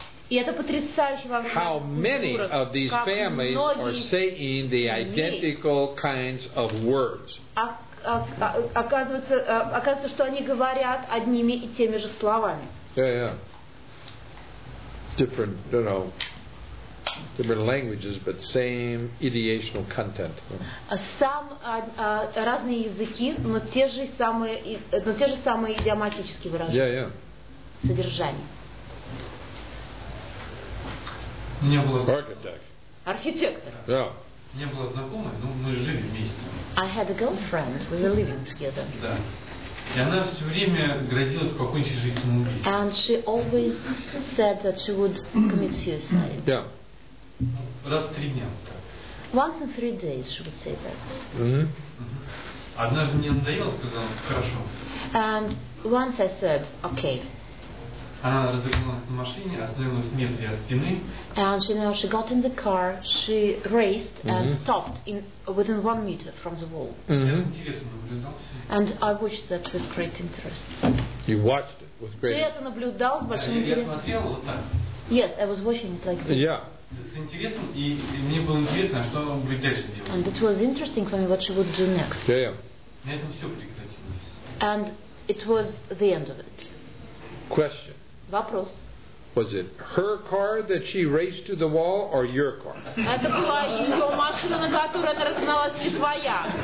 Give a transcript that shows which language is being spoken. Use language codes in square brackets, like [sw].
[en] How many of these families are saying the identical kinds of words? [ru] Оказывается, что они говорят одними и теми же словами. [en] Yeah. Different languages, but same ideational content. [ru] Разные языки, но те же самые идиоматические выражения. [en] Yeah. [ru] Содержание. Не было знакомой. Архитектор. Да. Не было знакомой, но мы жили вместе. [en] I had a girlfriend. We were living together. [ru] Да. И она все время грозилась покончить жизнь самоубийством. [en] And she always said that she would commit suicide. [ru] Да. Раз в три дня. [en] Once in three days she would say that. [ru] Однажды мне надоело, сказала, хорошо. [en] And once I said, okay. [ru] Она развернулась на машине, остановилась в метре от стены. [en] And you know, she got in the car, she raced and stopped in within 1 meter from the wall. And I watched that with great interest. You watched it with great interest. [ru] Ты это наблюдал с большим интересом? Я смотрел вот так. [en] Yes, I was watching it like this. Yeah. [ru] С интересом, и мне было интересно, что она будет дальше делать. [en] And it was interesting for me what she would do next. Yeah. [ru] На этом все прекратилось. [en] And it was the end of it. Question. [ru] Вопрос. [en] Was it her car that she raced to the wall or your car? [ru] Это была ее машина, на которой она разгналась, не твоя.